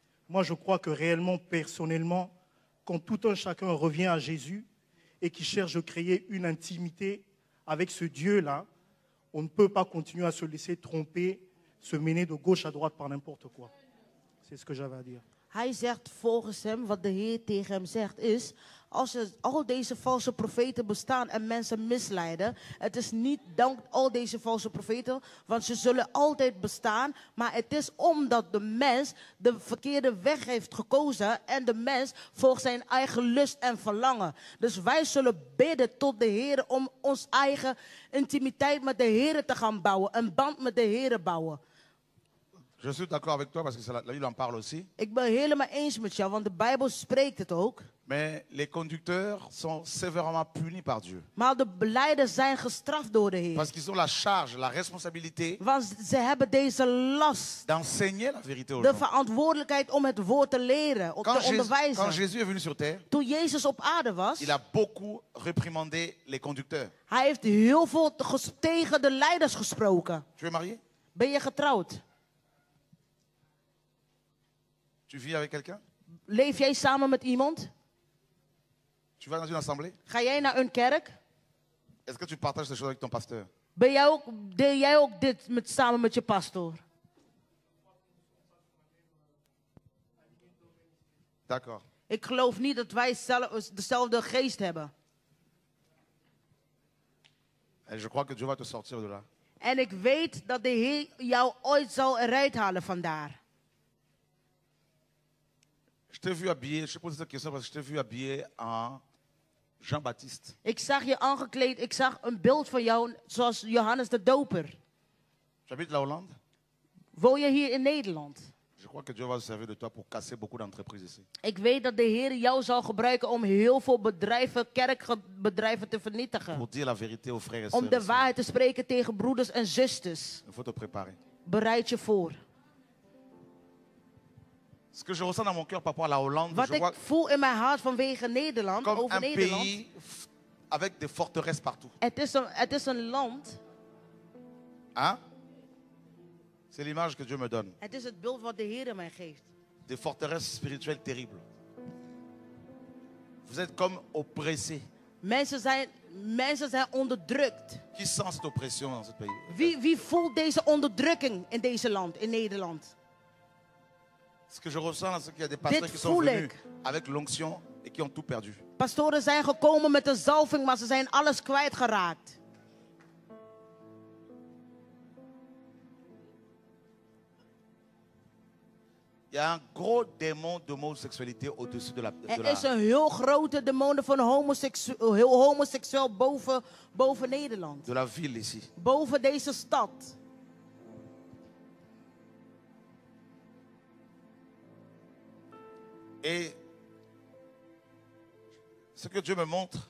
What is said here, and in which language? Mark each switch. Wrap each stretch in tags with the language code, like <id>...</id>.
<fr>Moi, je crois que réellement, personnellement, quand tout un chacun revient à Jésus et qu'il cherche à créer une intimité avec ce Dieu-là, on ne peut pas continuer à se laisser tromper, se mener de gauche à droite par n'importe quoi. C'est ce que j'avais à dire.</fr> <nl>Hij zegt volgens hem, wat de Heer tegen hem zegt, is als er al deze valse profeten bestaan en mensen misleiden, het is niet dank al deze valse profeten, want ze zullen altijd bestaan, maar het is omdat de mens de verkeerde weg heeft gekozen en de mens volgt zijn eigen lust en verlangen. Dus wij zullen bidden tot de Heer om ons eigen intimiteit met de Heer te gaan bouwen, een band met de Heer bouwen.</nl> <fr>Je suis d'accord avec toi parce que la Bible en parle aussi.</fr> <nl>Ik ben helemaal eens met jou, want de Bijbel spreekt het ook.</nl> <fr>Mais les conducteurs sont sévèrement punis par Dieu.</fr> <nl>Maar de leiders zijn gestraft door de Heer.</nl> <fr>Parce qu'ils ont la charge, la responsabilité.</fr> <nl>Want ze hebben deze last.</nl> <fr>D'enseigner la vérité aux gens.</fr> <nl>De verantwoordelijkheid om het woord te leren, om te onderwijzen.</nl> <fr>Quand Jésus est venu sur terre.</fr> <nl>Toen Jezus op aarde was.</nl> <fr>Il a beaucoup réprimandé les conducteurs.</fr> <nl>Hij heeft heel veel tegen de leiders gesproken.</nl> <fr>Tu es marié?</fr> <nl>Ben je getrouwd?</nl> <fr>Tu vis avec quelqu'un?</fr> <nl>Leef jij samen met iemand?</nl> <fr>Tu vas dans une assemblée?</fr> <nl>Ga jij naar een kerk?</nl> <fr>Est-ce que tu partages ces choses avec ton pasteur?</fr> <nl>Ben jij ook, deel jij ook dit met, samen met je pastoor?</nl> <fr>D'accord.</fr> <nl>Ik geloof niet dat wij zelf, dezelfde geest hebben.</nl> <fr>Et je crois que Dieu va te sortir de là.</fr> <nl>En ik weet dat de Heer jou ooit zal eruit halen vandaar.</nl> <fr>Je t'ai vu habillé, je pose cette question parce que je t'ai vu habillé en Jean-Baptiste.</fr> <nl>Ik zag je aangekleed, ik zag een beeld van jou zoals Johannes de Doper.</nl> <fr>J'habite la Hollande.</fr> <nl>Woon je hier in Nederland?</nl> <fr>Je crois que Dieu va se servir de toi pour casser beaucoup d'entreprises ici.</fr> <nl>Ik weet dat de Heer jou zal gebruiken om heel veel bedrijven, kerkbedrijven te vernietigen.</nl> <fr>Pour dire la vérité aux frères et sœurs.</fr> <nl>Om de waarheid te spreken tegen broeders en zusters.</nl> <fr>Il faut te préparer.</fr> <nl>Bereid je voor.</nl> <fr>Ce que je ressens dans mon cœur par rapport à la Hollande,</fr> <nl>wat</nl> <fr>je</fr> <nl>ik voel in mijn hart vanwege Nederland,</nl> <fr>comme</fr> <nl>over</nl> <fr>un</fr> <nl>Nederland,</nl> <fr>pays avec des forteresses partout.</fr> <nl>Het is een land.</nl> <fr>Hein? C'est l'image que Dieu me donne.</fr> <nl>Het is het beeld wat de Heer mij geeft.</nl> <fr>Des forteresses spirituelles terribles. Vous êtes comme oppressés.</fr> <nl>Mensen zijn onderdrukt.</nl> <fr>Qui sent cette oppression dans ce pays?</fr> <nl>Wie voelt deze onderdrukking in deze land, in Nederland?</nl> <fr>Ce que je ressens, c'est qu'il y a des pasteurs qui sont venus avec l'onction et qui ont tout perdu.</fr> <nl>Pastoren zijn gekomen met een zalving, maar ze zijn alles kwijtgeraakt.</nl> <fr>Il y a un gros démon de homosexualité au-dessus de la.</fr> <nl>Er is een heel grote demon van homoseksueel boven Nederland.</nl> <fr>De la ville ici.</fr> <nl>Boven deze stad.</nl> <fr>Et ce que Dieu me montre,</fr>